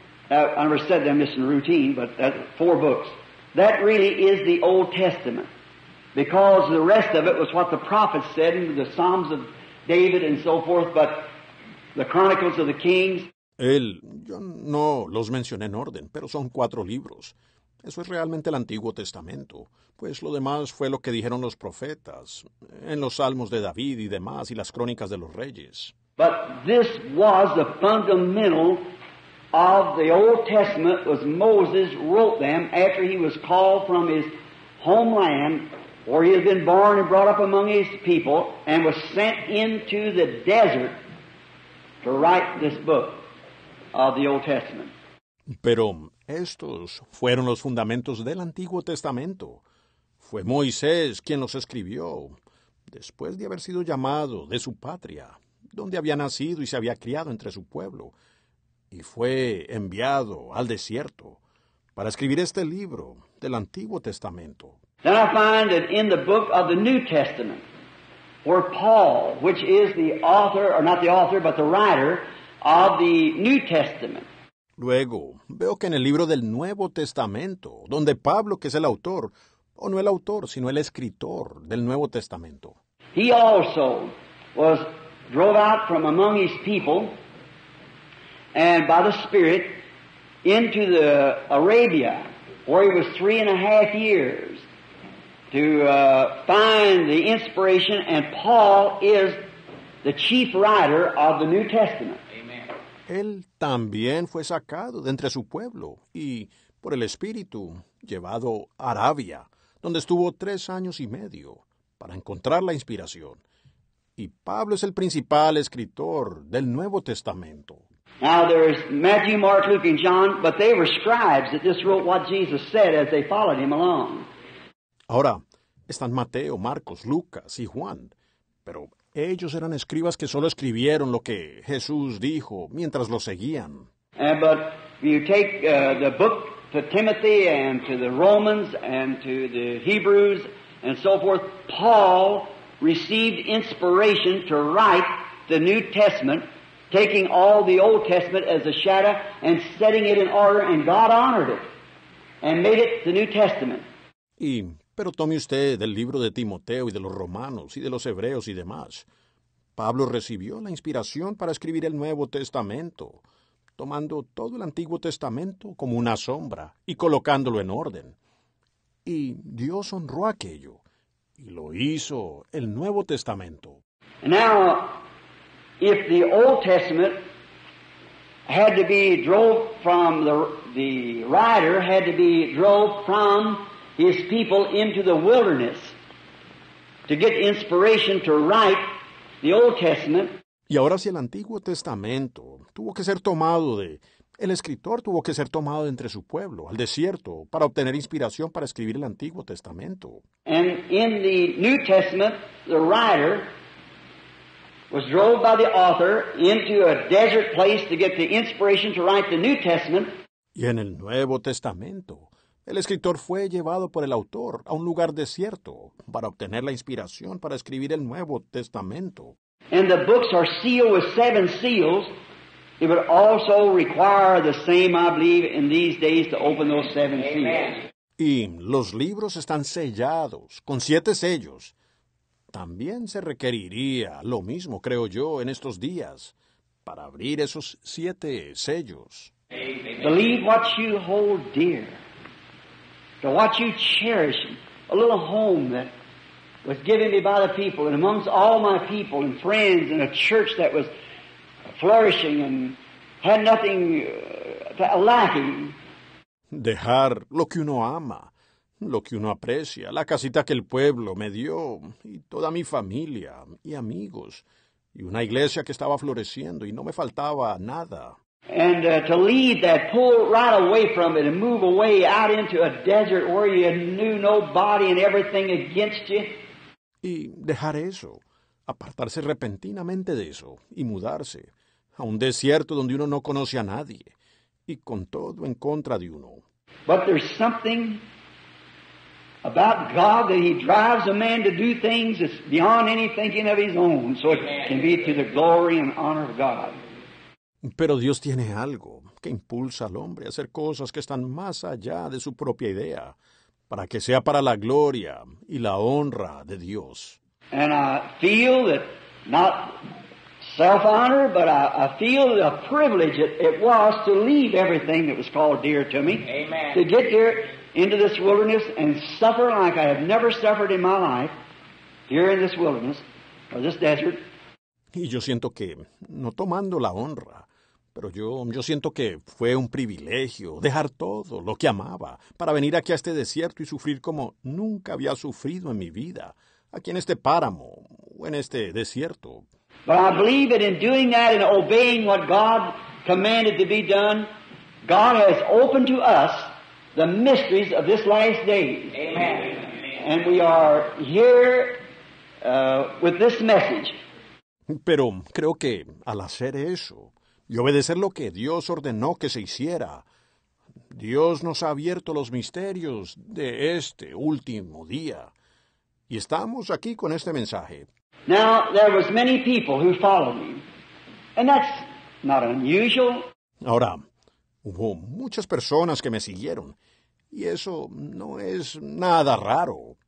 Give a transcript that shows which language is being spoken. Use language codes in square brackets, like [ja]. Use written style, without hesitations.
[en] I never said they're missing routine, but that four books. That really is the Old Testament, because the rest of it was what the prophets said in the Psalms of David and so forth, but the Chronicles of the Kings. [es] Yo no los mencioné en orden, pero son cuatro libros. Eso es realmente el Antiguo Testamento, pues lo demás fue lo que dijeron los profetas en los Salmos de David y demás y las Crónicas de los Reyes. [en] But this was the fundamental of the Old Testament was Moses wrote them after he was called from his homeland where he had been born and brought up among his people and was sent into the desert to write this book of the Old Testament. [es] Pero estos fueron los fundamentos del Antiguo Testamento. Fue Moisés quien los escribió después de haber sido llamado de su patria, donde había nacido y se había criado entre su pueblo. Y fue enviado al desierto para escribir este libro del Antiguo Testamento. [en] Then I find that in the book of the New Testament, where Paul, which is the author, or not the author, but the writer of the New Testament. [es] Luego, veo que en el libro del Nuevo Testamento, donde Pablo, que es el autor, o no el autor, sino el escritor del Nuevo Testamento. [en] He also was drove out from among his people, and by the Spirit, into the Arabia, where he was 3.5 years to find the inspiration, and Paul is the chief writer of the New Testament. [es] Él también fue sacado de entre su pueblo y, por el Espíritu, llevado a Arabia, donde estuvo 3 años y medio para encontrar la inspiración. Y Pablo es el principal escritor del Nuevo Testamento. [en] Now there's Matthew, Mark, Luke, and John, but they were scribes that just wrote what Jesus said as they followed him along. [es] Ahora están Mateo, Marcos, Lucas y Juan, pero ellos eran escribas que solo escribieron lo que Jesús dijo mientras lo seguían. [en] But you take the book to Timothy and to the Romans and to the Hebrews and so forth, Paul received inspiration to write the New Testament, taking all the Old Testament as a shadow and setting it in order, and God honored it and made it the New Testament. [es] Pero tome usted del libro de Timoteo y de los Romanos y de los Hebreos y demás. Pablo recibió la inspiración para escribir el Nuevo Testamento, tomando todo el Antiguo Testamento como una sombra y colocándolo en orden. Y Dios honró aquello y lo hizo el Nuevo Testamento. [en] Now, if the Old Testament had to be drove from the writer, had to be drove from his people into the wilderness to get inspiration to write the Old Testament. [es] Y ahora, si el Antiguo Testamento tuvo que ser tomado de, el escritor tuvo que ser tomado de entre su pueblo, al desierto, para obtener inspiración para escribir el Antiguo Testamento. [en] And in the New Testament, the writer was drove by the author into a desert place to get the inspiration to write the New Testament. [es] Y en el Nuevo Testamento, el escritor fue llevado por el autor a un lugar desierto para obtener la inspiración para escribir el Nuevo Testamento. [en] And the books are sealed with 7 seals. It would also require the same, I believe, in these days to open those 7 seals. [es] Y los libros están sellados con 7 sellos. También se requeriría lo mismo, creo yo, en estos días para abrir esos 7 sellos. [en] Believe what you hold dear. To what you cherish, a little home that was given me by the people, and amongst all my people and friends, and a church that was flourishing and had nothing lacking. [es] Dejar lo que uno ama, lo que uno aprecia, la casita que el pueblo me dio, y toda mi familia y amigos, y una iglesia que estaba floreciendo y no me faltaba nada. [en] And to leave that, pull right away from it and move away out into a desert where you knew nobody and everything against you. [es] Y dejar eso, apartarse repentinamente de eso y mudarse a un desierto donde uno no conoce a nadie y con todo en contra de uno. [en] But there's something about God that he drives a man to do things that's beyond any thinking of his own, so it can be to the glory and honor of God. [es] Pero Dios tiene algo que impulsa al hombre a hacer cosas que están más allá de su propia idea, para que sea para la gloria y la honra de Dios. [en] And I feel that, not self-honor, but I feel the privilege it was to leave everything that was called dear to me. Amen. To get here into this wilderness and suffer like I have never suffered in my life, here in this wilderness, or this desert. [es] Y yo siento que, no tomando la honra, pero yo siento que fue un privilegio dejar todo lo que amaba para venir aquí a este desierto y sufrir como nunca había sufrido en mi vida, aquí en este páramo o en este desierto. [en] But I believe that in doing that and obeying what God commanded to be done, God has opened to us the mysteries of this last day. Amen. And we are here with this message. [es] Pero creo que al hacer eso y obedecer lo que Dios ordenó que se hiciera, Dios nos ha abierto los misterios de este último día. Y estamos aquí con este mensaje. [en] Now, there was many people who followed me, and that's not unusual. [es] Ahora, hubo muchas personas que me siguieron, y eso no es nada raro.